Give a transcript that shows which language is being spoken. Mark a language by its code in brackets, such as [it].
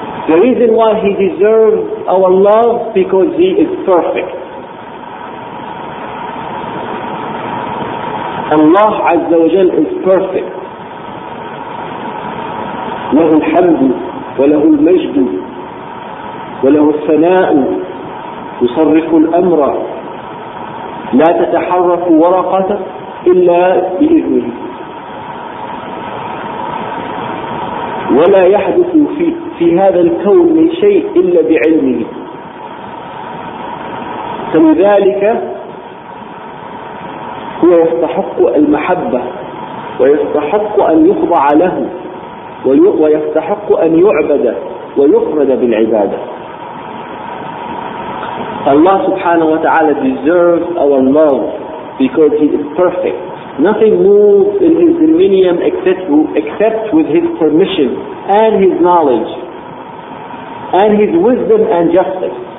[en] The reason why He deserves our love, because He is perfect. Allah Azza wa Jal is perfect. [ar] له الحمد وله المجد وله الثناء يصرف الأمر لا تتحرك ورقة إلا بإذنه ولا يحدث في هذا الكون من شيء إلا بعلمه. فلذلك هو يستحق المحبة ويستحق أن يخضع له ويستحق أن يعبد ويفرد بالعبادة. [en] الله سبحانه وتعالى deserves our love because He is perfect. Nothing moves in His dominion except with His permission and His knowledge and His wisdom and justice.